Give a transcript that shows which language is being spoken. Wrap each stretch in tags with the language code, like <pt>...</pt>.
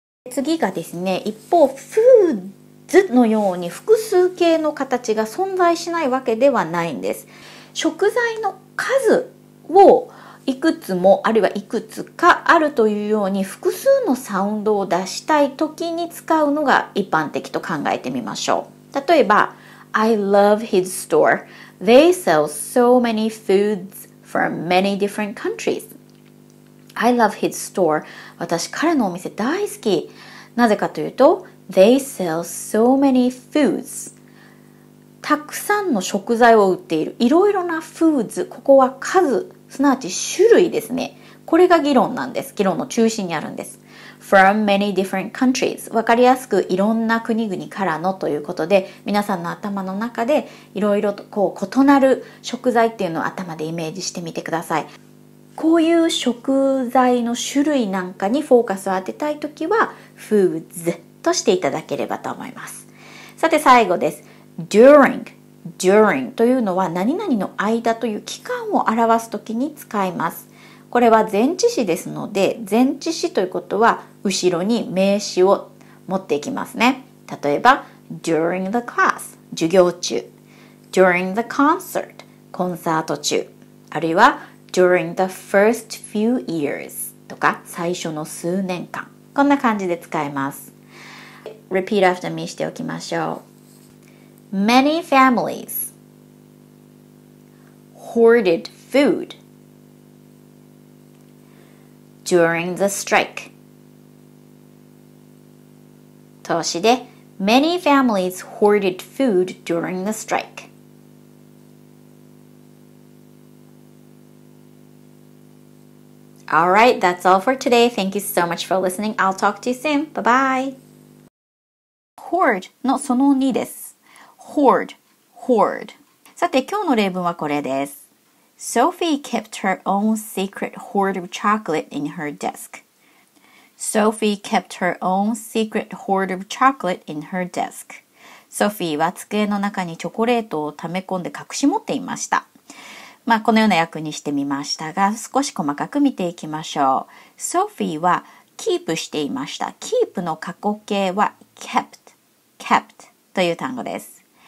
<ja>次がですね、一方 foods のように複数形の形が存在しないわけではないんです。食材の数をいくつもあるいはいくつかあるというように複数のサウンドを出したいときに使うのが一般的と考えてみましょう。例えば</ja> <en>I love his store. They sell so many foods from many different countries. I love his store.</en> <ja>私彼のお店大好き。なぜかというと</ja> <en>They sell so many foods.</en> <ja>たくさんの食材を売っている。いろいろな foods。ここは数、すなわち種類ですね。これが議論なんです。議論の中心にあるんです。</ja> <en>From many different countries。</en> <ja>わかりやすく、いろんな国々からのということで、皆さんの頭の中で、いろいろとこう異なる食材っていうのを頭でイメージしてみてください。こういう食材の種類なんかにフォーカスを当てたいときは、foods としていただければと思います。さて最後です。During。 During というのは何々の間という期間を表すときに使います。これは前置詞ですので、前置詞ということは後ろに名詞を持っていきますね。例えば、</ja> <en>during the class、</en> <ja>授業中。</ja> <en>during the concert、</en> <ja>コンサート中。あるいは、</ja> <en>during the first few years とか、</en> <ja>最初の数年間こんな感じで使います。</ja> <en>Repeat after me</en> <ja>しておきましょう。</ja> <en>Many families hoarded food during the strike.</en> <ja>投資で</ja> <en>Many families hoarded food during the strike. All right, that's all for today. Thank you so much for listening. I'll talk to you soon. Bye-bye.</en> <ja>Hoard のその2です。</ja> <en>Hoard, hoard.</en> <ja>さて、今日の例文はこれです。</ja> <en>Sophie kept her own secret hoard of chocolate in her desk. Sophie kept her own secret hoard of chocolate in her desk.</en> <ja>Sophie は机の中にチョコレートを溜め込んで隠し持っていました。まあ、このような訳にしてみましたが、少し細かく見ていきましょう。 Sophie はキープしていました。keep の過去形は kept、kept という単語です。</ja>